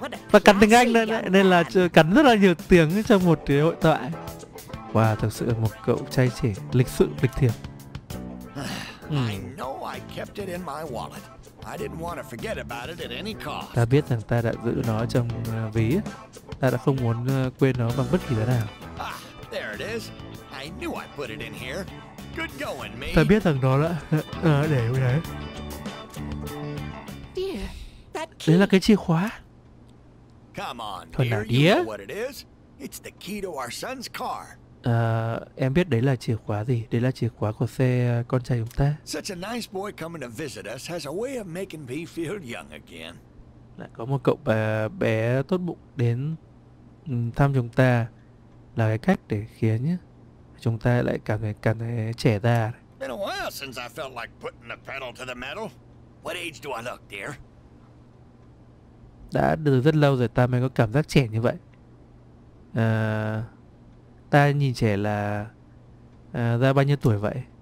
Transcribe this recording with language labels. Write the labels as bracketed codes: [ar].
[vi] Và cắn tiếng Anh nên là cắn rất là nhiều tiếng trong một cái hội thoại. Wow, thực sự là một cậu trai trẻ lịch sự lịch thiệp. [en] I know I kept it in my wallet. I didn't want to forget about it at any cost. [vi] Ta biết rằng ta đã giữ nó trong ví. Ta đã không muốn quên nó bằng bất kỳ giá nào. [en] There it is. I knew I put it in here. Good going, me. [vi] Ta biết rằng đó là để ở đấy. [en] Dear, that key. [vi] Đấy là cái chìa khóa. [en] Come on, dear. You know what it is? It's the key to our son's car. [vi] Em biết đấy là chìa khóa gì? Đấy là chìa khóa của xe con trai chúng ta. [en] Such a nice boy coming to visit us has a way of making me feel young again. [vi] Là có một cậu bé tốt bụng đến thăm chúng ta là cái cách để khiến nhá chúng ta lại cảm thấy trẻ ra. [en] Been a while since I felt like putting the pedal to the metal. What age do I look, dear? [vi] Đã được rất lâu rồi ta mới có cảm giác trẻ như vậy. Ta nhìn trẻ là ra bao nhiêu tuổi vậy?